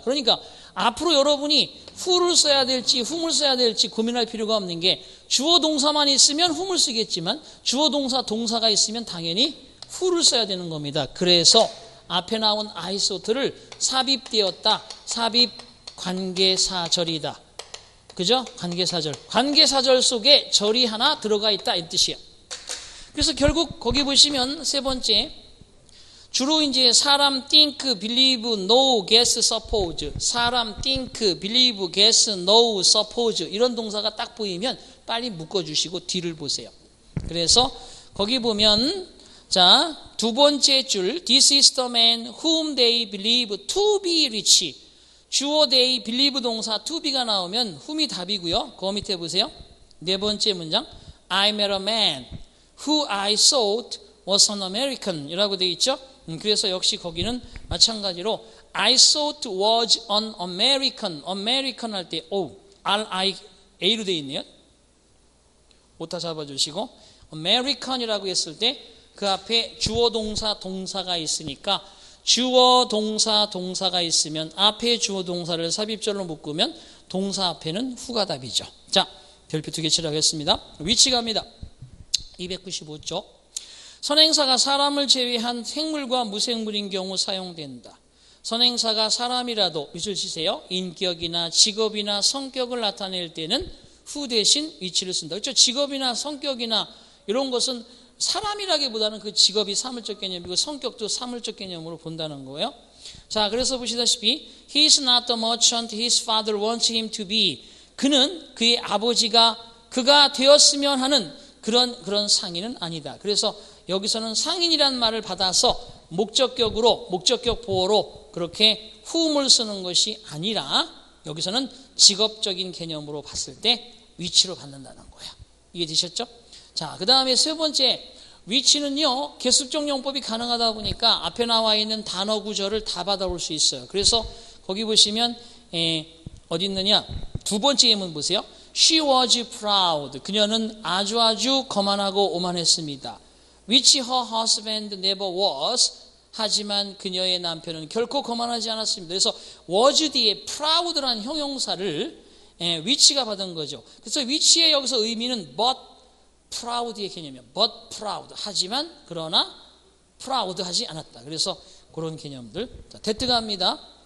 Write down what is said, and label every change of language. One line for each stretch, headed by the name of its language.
Korean: 그러니까 앞으로 여러분이 who를 써야 될지 whom을 써야 될지 고민할 필요가 없는 게 주어 동사만 있으면 whom을 쓰겠지만 주어 동사 동사가 있으면 당연히 who를 써야 되는 겁니다. 그래서 앞에 나온
English: I thought
Korean: 를 삽입되었다. 삽입 관계사절이다. 그죠? 관계사절. 관계사절 속에 절이 하나 들어가 있다. 이 뜻이야. 그래서 결국 거기 보시면 세 번째. 주로 이제 사람, think, believe, know, guess, suppose. 사람, think, believe, guess, know, suppose. 이런 동사가 딱 보이면 빨리 묶어주시고 뒤를 보세요. 그래서 거기 보면 자, 두 번째 줄.
English: This is the man whom they believe to be rich.
Korean: 주어
English: they believe
Korean: 동사
English: to be
Korean: 가 나오면 whom이 답이고요. 그 밑에 보세요. 네 번째 문장.
English: I met a man who I thought was an American
Korean: 이라고 되어 있죠. 그래서 역시 거기는 마찬가지로
English: I thought was an American.
Korean: American 할 때 O, R, I, A로 되어 있네요. 오타 잡아주시고 American이라고 했을 때 그 앞에 주어 동사 동사가 있으니까 주어, 동사, 동사가 있으면 앞에 주어, 동사를 삽입절로 묶으면 동사 앞에는 후가 답이죠. 자, 별표 두 개 치라고 했습니다. 위치 갑니다. 295쪽. 선행사가 사람을 제외한 생물과 무생물인 경우 사용된다. 선행사가 사람이라도, 위치를 치세요. 인격이나 직업이나 성격을 나타낼 때는 후 대신 위치를 쓴다. 그렇죠? 직업이나 성격이나 이런 것은 사람이라기보다는 그 직업이 사물적 개념이고 성격도 사물적 개념으로 본다는 거예요. 자, 그래서 보시다시피
English: He is not the merchant his father wants him to be.
Korean: 그는 그의 아버지가 그가 되었으면 하는 그런 상인은 아니다. 그래서 여기서는 상인이란 말을 받아서 목적격으로 목적격 보호로 그렇게 whom을 쓰는 것이 아니라 여기서는 직업적인 개념으로 봤을 때 위치로 받는다는 거예요. 이해되셨죠? 자, 그 다음에 세 번째, which는요, 계속적용법이 가능하다 보니까 앞에 나와 있는 단어 구절을 다 받아올 수 있어요. 그래서 거기 보시면 어디 있느냐? 두 번째 예문 보세요.
English: She was proud.
Korean: 그녀는 아주아주 거만하고 오만했습니다.
English: Which her husband never was.
Korean: 하지만 그녀의 남편은 결코 거만하지 않았습니다. 그래서 was 뒤에 proud라는 형용사를 which가 받은 거죠. 그래서 which의 여기서 의미는
English: but proud
Korean: 의 개념이에요.
English: but proud.
Korean: 하지만 그러나 proud하지 않았다. 그래서 그런 개념들. 자, 대뜨갑니다.